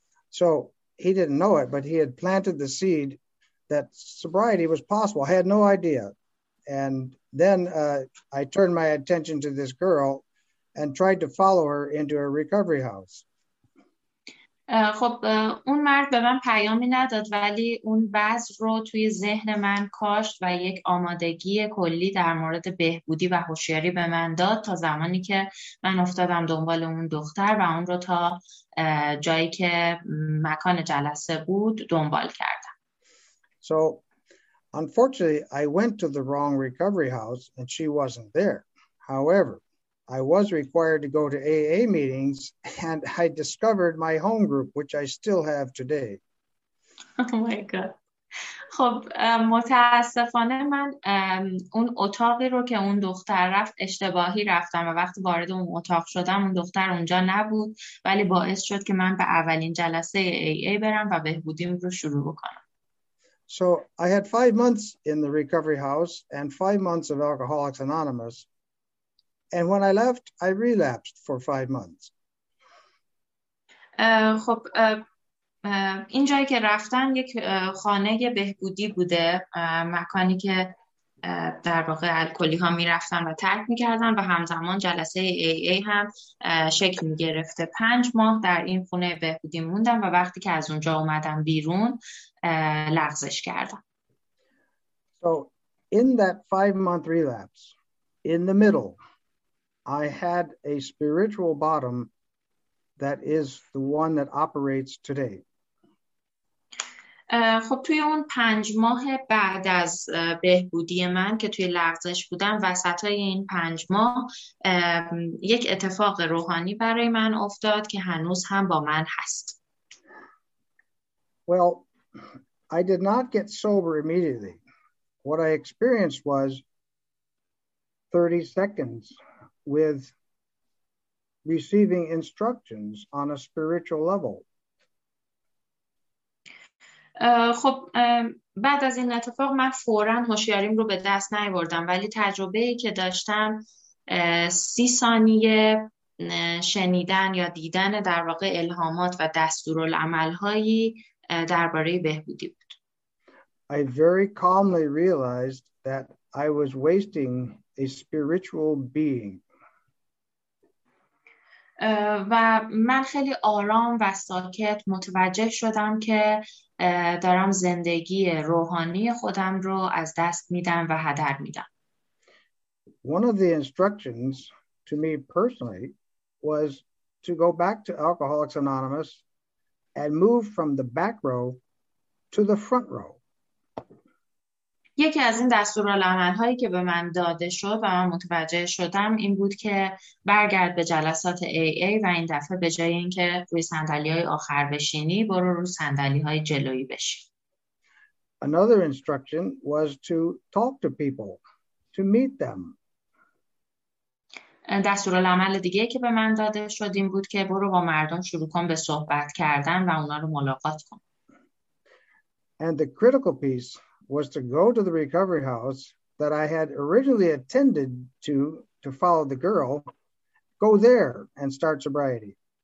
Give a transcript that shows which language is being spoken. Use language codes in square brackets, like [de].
[en] So he didn't know it, but he had planted the seed that sobriety was possible. I had no idea. And then I turned my attention to this girl and tried to follow her into a recovery house. [fa] خب اون مرد به من پیامی نداد، ولی اون بذر رو توی ذهن من کاشت و یک آمادگی کلی در مورد بهبودی و هوشیاری به من داد تا زمانی که من افتادم دنبال اون دختر و اون رو تا جایی که مکان جلسه بود دنبال کردم. [en] So unfortunately I went to the wrong recovery house and she wasn't there. However, I was required to go to AA meetings and I discovered my home group, which I still have today. Oh my God. [fa] خب متاسفانه من اون اتاقی رو که اون دختر رفت اشتباهی رفتم و وقتی وارد اون اتاق شدم اون دختر اونجا نبود، ولی باعث شد که من به اولین جلسه AA برم و بهبودیم رو شروع بکنم. [en] So I had 5 months in the recovery house and 5 months of Alcoholics Anonymous. And when I left, I relapsed for 5 months. [fa] خب این جایی که رفتن یک خانه بهبودی بوده، مکانی که در واقع الکلی ها می رفتن و ترک می کردن و همزمان جلسه AA هم شکل می گرفته. 5 ماه در این خونه بهبودی موندم و وقتی که از اونجا اومدم بیرون لغزش کردم. [en] So in that 5 month relapse, in the middle, I had a spiritual bottom that is the one that operates today. [fa] خب توی اون 5 ماه بعد از بهبودی من که توی لغزش بودم، وسطای این 5 ماه یک اتفاق روحانی برای من افتاد که هنوز هم با من هست. [en] Well, I did not get sober immediately. What I experienced was 30 seconds with receiving instructions on a spiritual level. [fa] خب بعد از این اتفاق من فوراً هوشیاریم رو به دست نیاوردم، ولی تجربه‌ای که داشتم 30 ثانیه شنیدن یا دیدن در واقع الهامات و دستورالعمل‌هایی درباره بهبودی بود. [en] I very calmly realized that I was wasting a spiritual being. [fa] و من خیلی آرام و ساکت متوجه شدم که دارم زندگی روحانی خودم رو از دست میدم و هدر میدم. [en] One of the instructions to me personally was to go back to Alcoholics Anonymous and move from the back row to the front row. [fa] یکی از این دستورالعمل‌هایی که به من داده شد و من متوجه شدم این بود که برگرد به جلسات AA و این دفعه به جای اینکه روی صندلی‌های آخر بشینی، برو روی صندلی‌های جلویی بشین. [en] Another instruction was to talk to people, to meet them. [fa] دستورالعمل دیگه که به من داده شد این بود که برو با مردم شروع کن به صحبت کردن و اونا رو ملاقات کن. [en] And the critical piece was to go to the recovery house that I had originally attended to follow the girl, go there and start sobriety.